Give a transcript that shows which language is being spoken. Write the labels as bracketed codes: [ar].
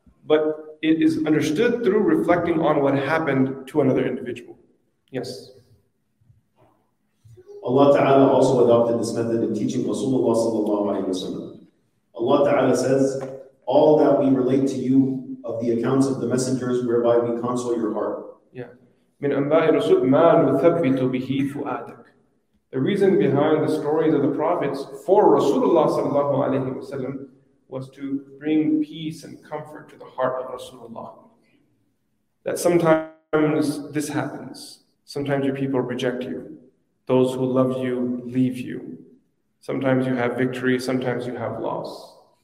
[en] But it is understood through reflecting on what happened to another individual. Yes. Allah ta'ala also adopted this method in teaching Rasulullah sallallahu alayhi wa sallam. Allah Ta'ala says, all that we relate to you of the accounts of the messengers whereby we console your heart. [ar] Yeah. من أنباء الرسول ما نثبت به فؤادك. [en] The reason behind the stories of the prophets for Rasulullah sallallahu alayhi wa sallam was to bring peace and comfort to the heart of Rasulullah. That sometimes this happens. Sometimes your people reject you. Those who love you leave you. Sometimes you have victory, sometimes you have loss.